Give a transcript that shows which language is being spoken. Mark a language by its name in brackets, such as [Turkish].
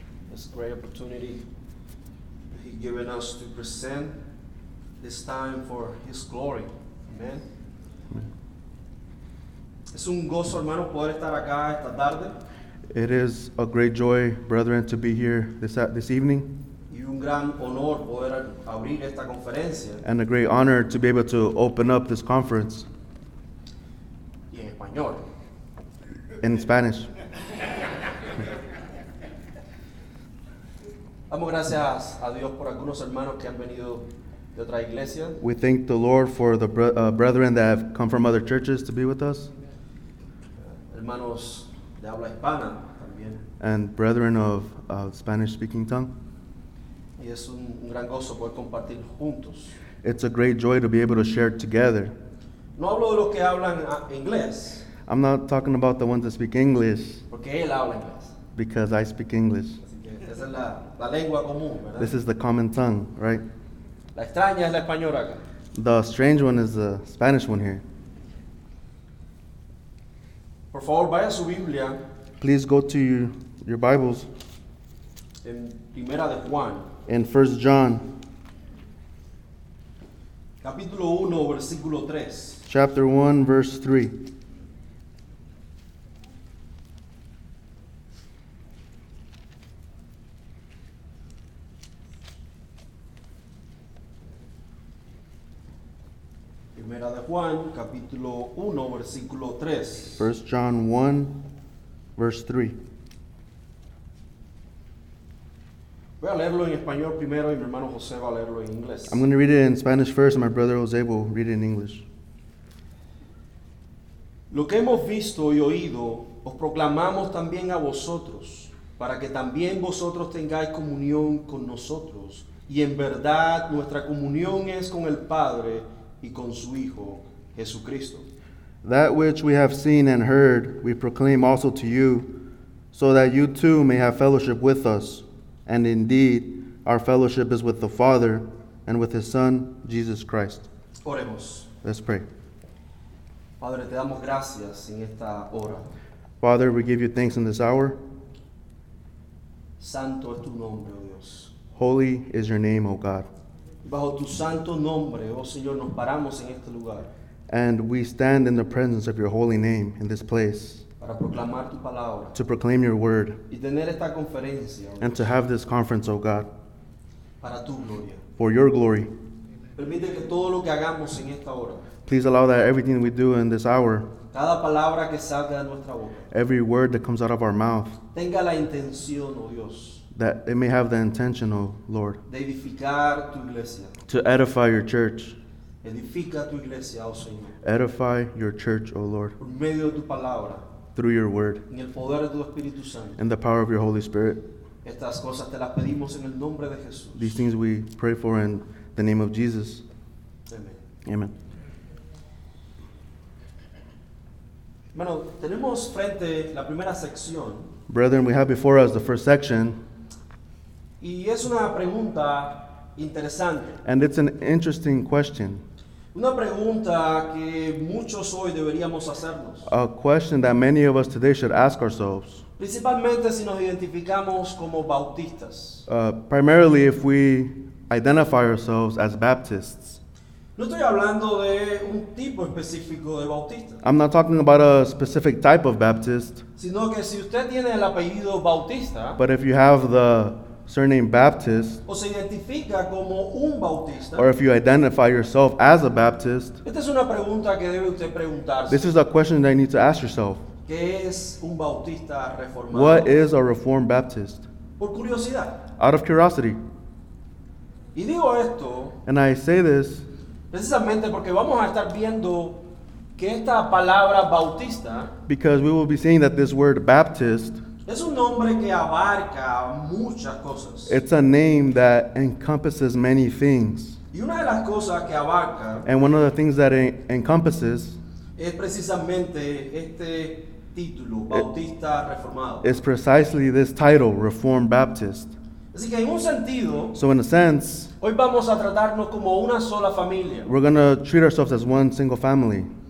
[English] This great opportunity that He's given us to present this time for His glory. Amen. [Spanish] Es un gozo, hermano, poder estar acá esta tarde. [English] It is a great joy, brethren, to be here this evening. [Spanish] Y un gran honor poder abrir esta conferencia. [English] And a great honor to be able to open up this conference. [Spanish] Y en español. [English] In Spanish. [Spanish] Damos gracias a Dios por algunos hermanos que han venido de otra iglesia. [English] We thank the Lord for the brethren that have come from other churches to be with us. [Spanish] Hermanos de habla hispana también. [English] And brethren of Spanish-speaking tongue. [Spanish] Y es un gran gozo poder compartir juntos. [English] It's a great joy to be able to share together. [Spanish] No hablo de los que hablan inglés. [English] I'm not talking about the ones that speak English. [Spanish] Porque él habla inglés. [English] Because I speak English. [Spanish] Esa es la lengua común, ¿verdad? [English] This is the common tongue, right? [Spanish] La extraña es la española acá. [English] The strange one is the Spanish one here. [Spanish] Por favor, vaya su Biblia. [English] Please go to your Bibles. [Spanish] En Primera de Juan. [English] In 1 John. [Spanish] Capítulo 1, versículo 3. [English] Chapter 1, verse 3. [Spanish] Primera de Juan, capítulo 1, versículo 3. [English] 1 John 1, verse 3. [Spanish] Voy a leerlo en español primero y mi hermano José va a leerlo en inglés. [English] I'm going to read it in Spanish first and my brother José will read it in English. [Spanish] Lo que hemos visto y oído, os proclamamos también a vosotros, para que también vosotros tengáis comunión con nosotros. Y en verdad, nuestra comunión es con el Padre, y con su Hijo, Jesucristo. [English] That which we have seen and heard, we proclaim also to you, so that you too may have fellowship with us. And indeed, our fellowship is with the Father and with His Son, Jesus Christ. [Spanish] Oremos. [English] Let's pray. [Spanish] Padre, te damos gracias en esta hora. [English] Father, we give you thanks in this hour. [Spanish] Santo es tu nombre, oh Dios. [English] Holy is your name, O God. [Spanish] Bajo tu santo nombre, oh Señor, nos paramos en este lugar. [English] And we stand in the presence of your holy name in this place. [Spanish] Para proclamar tu palabra. [English] To proclaim your word. [Spanish] Y tener esta conferencia. [English] And to have this conference, oh God. [Spanish] Para tu gloria. [English] For your glory. [Spanish] Permite que todo lo que hagamos en esta hora. [English] Please allow that everything we do in this hour. [Spanish] Cada palabra que salga de nuestra boca. [English] Every word that comes out of our mouth. [Spanish] Tenga la intención, oh Dios. [English] That it may have the intention, O Lord, [Spanish] de edificar tu iglesia. [English] To edify your church. [Spanish] Edifica tu iglesia, oh Señor. [English] Edify your church, O Lord, [Spanish] por medio de tu palabra. [English] Through your word. [Spanish] En el poder de tu Espíritu Santo. [English] In the power of your Holy Spirit. [Spanish] Estas cosas te las pedimos en el nombre de Jesús. [English] These things we pray for in the name of Jesus. Amen. Amen. [Spanish] Bueno, tenemos frente la primera sección. [English] Brethren, we have before us the first section. [Spanish] Y es una pregunta interesante. [English] And it's an interesting question. [Spanish] Una pregunta que muchos hoy deberíamos hacernos. [English] A question that many of us today should ask ourselves. [Spanish] Principalmente si nos identificamos como bautistas. [English] Primarily if we identify ourselves as Baptists. [Spanish] No estoy hablando de un tipo específico de bautista. [English] I'm not talking about a specific type of Baptist. [Spanish] Sino que si usted tiene el apellido bautista. [English] But if you have the surname Baptist, [Spanish] o se identifica como un bautista, [English] or if you identify yourself as a Baptist, [Spanish] esta es una pregunta que debe usted preguntarse. [English] This is a question that you need to ask yourself. [Spanish] ¿Qué es un bautista reformado? [English] What is a Reformed Baptist? [Spanish] Por curiosidad. [English] Out of curiosity. [Spanish] Y digo esto, [English] and I say this [Spanish] precisamente porque vamos a estar viendo que esta palabra bautista, [English] because we will be seeing that this word Baptist, [Spanish] es un nombre que abarca muchas cosas. [English] It's a name that encompasses many things. [Spanish] Y una de las cosas que abarca, [English] and one of the things that it encompasses, [Spanish] es precisamente este título, Bautista Reformado. [English] It's precisely this title, Reformed Baptist. [Spanish] Así que en un sentido, [English] so in a sense, [Spanish] hoy vamos a tratarnos como una sola familia. [English] We're going to treat ourselves as one single family.